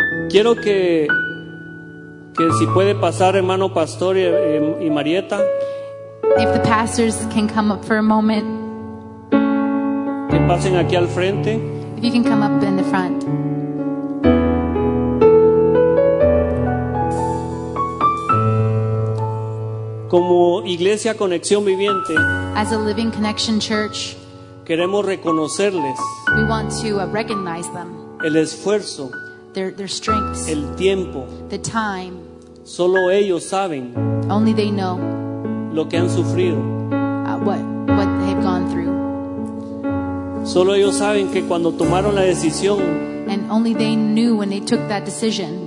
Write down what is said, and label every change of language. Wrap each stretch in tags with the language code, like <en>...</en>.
<es>Quiero que si puede pasar hermano pastor y Marieta.</es> <en>If the pastors can come up for a moment.</en> <es>Que pasen aquí al frente.</es> <en>If you can come up in the front.</en> <es>Como Iglesia Conexión Viviente,</es> <en>as a Living Connection Church,</en> <es>queremos reconocerles,</es> <en>we want to recognize them,</en> <es>el esfuerzo,</es> <en>their strengths,</en> <es>el tiempo,</es> <en>the time,</en> <es>solo ellos saben,</es> <en>only they know,</en> <es>lo que han sufrido,</es> <en>what they have gone through,</en> <es>solo ellos saben que cuando tomaron la decisión,</es> <en>and only they knew when they took that decision,</en>